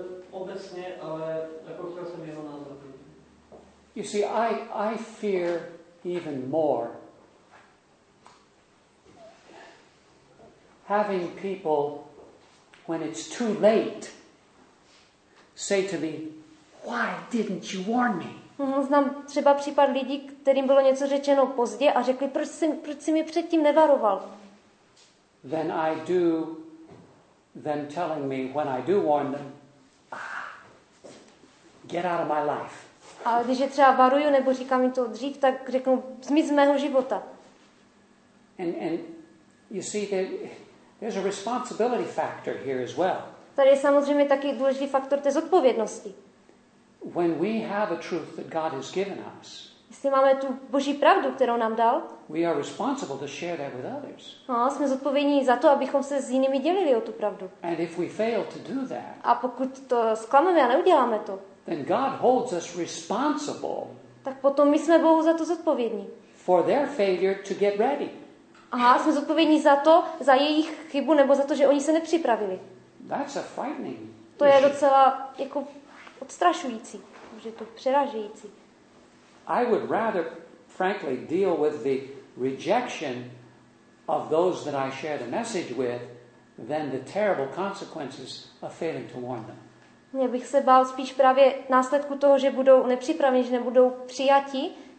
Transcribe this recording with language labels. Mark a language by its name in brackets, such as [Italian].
[Czech] obecně, ale jako chtěl jsem jeho názor. [English] You see, I fear even more having people, when it's too late, say to me, why didn't you warn me? [Czech] Znám třeba případ lidí, kterým bylo něco řečeno pozdě a řekli, proč jsi mi předtím nevaroval? [English] Then I do them telling me when I do warn them, get out of my life. [Czech] A když je třeba varuju nebo říkám jim to dřív, tak řeknu, zmiz z mého života. [English] And you see that there's a responsibility factor here as well. [Czech] Tady je samozřejmě taky důležitý faktor té zodpovědnosti. [English] When we have a truth that God has given us. [Czech] Jestli máme tu Boží pravdu, kterou nám dal. [English] We are responsible to share that with others. [Czech] No, jsme zodpovědní za to, abychom se s jinými dělili o tu pravdu. [English] And if we fail to do that. [Czech] A pokud to zklameme a neuděláme to. [English] Then God holds us responsible. [Czech] Tak potom my jsme Bohu za to zodpovědní. [English] For their failure to get ready. [Czech] Aha, jsme zodpovědní za to, za jejich chybu, nebo za to, že oni se nepřipravili. [English] That's a frightening. [Czech] To je docela jako odstrašující, že to přerážející. [English] I would rather, frankly, deal with the rejection of those that I share the message with than the terrible consequences of failing to warn them. [Czech] Já bych se bál spíš právě následku toho, že budou nepřipraveni, že nebudou přijati,